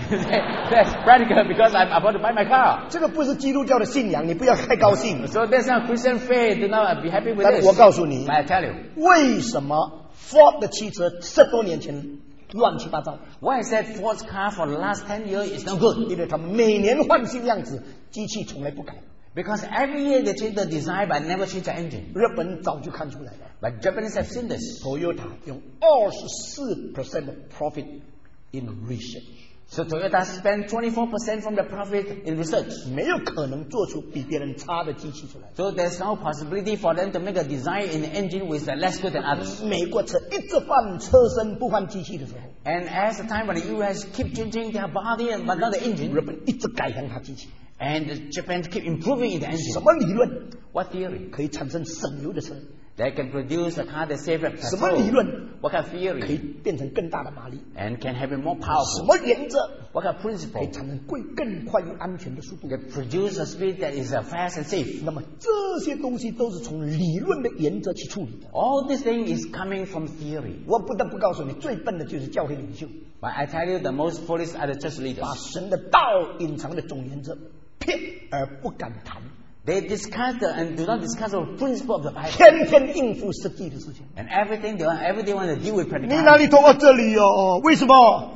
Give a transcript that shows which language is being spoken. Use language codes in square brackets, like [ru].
[en] That's practical because I'm about to buy my car. [zh] 这个不是基督教的信仰，你不要太高兴。 [en] So that's not Christian faith. Do not be happy with this. [zh] 但我告诉你, [en] but I tell you, [zh] 为什么 Ford 的汽车十多年前 乱七八糟. [en] Why is that Ford's car for the last 10 years is not good? [zh] 因为他每年换新样子，机器从来不改。 [en] Because every year they change the design but never change the engine. [zh] 日本早就看出来了。 [en] But Japanese have seen this. Toyota [zh] 用 [en] 24% profit in research. So Toyota spend 24% from the profit in research. [zh] 没有可能做出比别人差的机器出来。 [en] So there's no possibility for them to make a design in the engine with less good than others. [zh] 美国车一直换车身不换机器的时候。 [en] And as the time when the US keep changing their body but not the engine, [zh] 日本一直改良它机器。 [en] And Japan keep improving in the engine. [zh] 什么理论? [en] What theory? [zh] 可以产生省油的车? [en] They can produce a car that saves petrol. [zh] 什么理论? [en] What kind of theory? [zh] 可以变成更大的马力? [en] And can have it more powerful. [zh] 什么原则? [en] What kind of principle? [zh] 可以产生更快又安全的速度. [en] They produce a speed that is fast and safe. [zh] 那么这些东西都是从理论的原则去处理的。 [en] All this thing is coming from theory. [zh] 我不得不告诉你, 最笨的就是教会领袖。 [en] But I tell you, the most foolish are the church leaders. [zh] 把神的道隐藏的总原则, 骗而不敢谈。 [en] They discuss the, and do not discuss the principle of the Bible. [zh] 天天应付实际的事情。 [en] And everything, everything want to deal with practical. [zh] 你哪里痛啊？这里哦， 为什么？